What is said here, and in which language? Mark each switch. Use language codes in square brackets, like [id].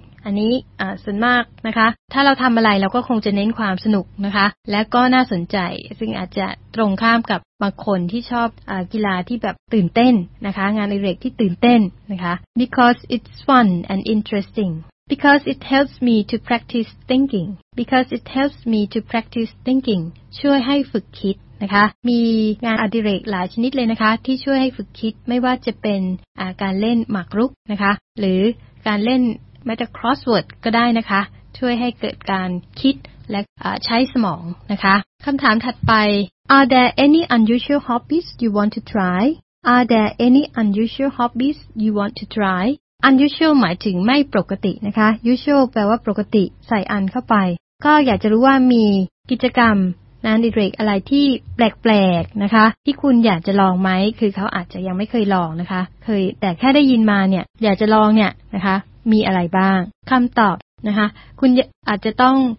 [th] อันนี้ส่วนมากนะคะถ้าเราทำอะไรเราก็คงจะเน้นความสนุกนะคะและก็น่าสนใจซึ่งอาจจะตรงข้ามกับบางคนที่ชอบกีฬาที่แบบตื่นเต้นนะคะงานอดิเรกที่ตื่นเต้นนะคะ [en] because it's fun and interesting because it helps me to practice thinking [th] because it helps me to practice thinking ช่วยให้ฝึกคิดนะคะมีงานอดิเรกหลายชนิดเลยนะคะที่ช่วยให้ฝึกคิดไม่ว่าจะเป็น การเล่นหมากรุกนะคะหรือการเล่นแม้แต่ crossword ก็ได้นะคะช่วยให้เกิดการคิดและใช้สมองนะคะคำถามถัดไป [en] Are there any unusual hobbies you want to try? Are there any unusual hobbies you want to try? [th] Unusual หมายถึงไม่ปกตินะคะ Usual แปลว่าปกติใส่อันเข้าไปก็อยากจะรู้ว่ามีกิจกรรมงานอดิเรกอะไรที่แปลกๆนะคะที่คุณอยากจะลองไหมคือเขาอาจจะยังไม่เคยลองนะคะเคยแต่แค่ได้ยินมาเนี่ยอยากจะลองเนี่ยนะคะมีอะไรบ้างคำตอบนะคะคุณอาจจะต้อง